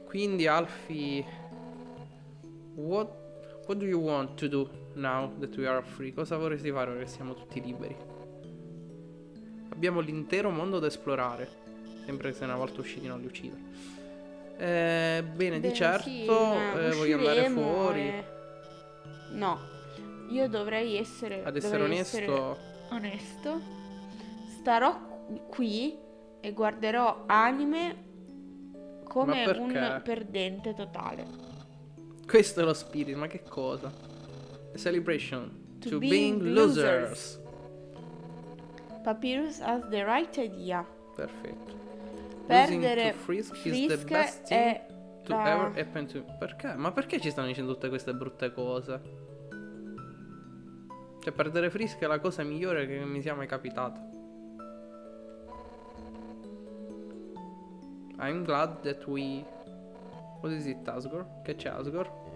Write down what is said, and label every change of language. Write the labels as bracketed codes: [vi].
[en] Quindi Alfie, what do you want to do now that we are free? [it] Cosa vorresti fare ora che siamo tutti liberi? Abbiamo l'intero mondo da esplorare. Sempre se una volta usciti non li uccido. Bene, di certo sì, voglio andare fuori. No, io dovrei essere. Ad essere onesto. Essere onesto. Starò qui e guarderò anime come un perdente totale. Questo è lo spirito, ma che cosa? [en] A celebration to being losers. Papyrus has the right idea. [it] Perfetto. Perdere [en] Frisk is the best thing to ever happen to. [it] Perché? Ma perché ci stanno dicendo tutte queste brutte cose? Cioè, perdere Frisk è la cosa migliore che mi sia mai capitata. [en] I'm glad that we. What is it, Asgore? [it] Che c'è, Asgore?